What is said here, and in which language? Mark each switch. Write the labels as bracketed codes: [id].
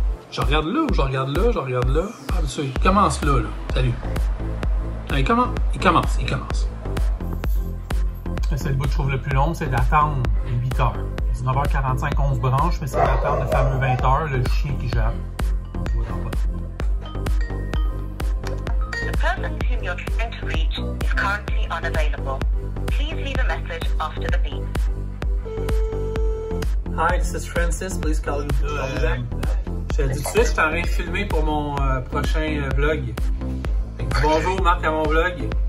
[fr] Je regarde là ou je regarde là? Je regarde là. Ah, bien sûr, il commence là, là. Salut. Allez, comment? Il commence. C'est le bout que je trouve le plus long, c'est d'attendre les 8 heures. 19h45, 11 branches, mais c'est d'attendre le fameux 20 heures, le chien qui jappe. Je vois dans le bas. [en] The person whom you're trying to reach is currently unavailable. Please leave a message after the beep. Hi, this is Francis. Please call me. [fr] Je te dis tout de suite, je suis en train de filmer pour mon prochain vlog. Bonjour, Marc, à mon vlog.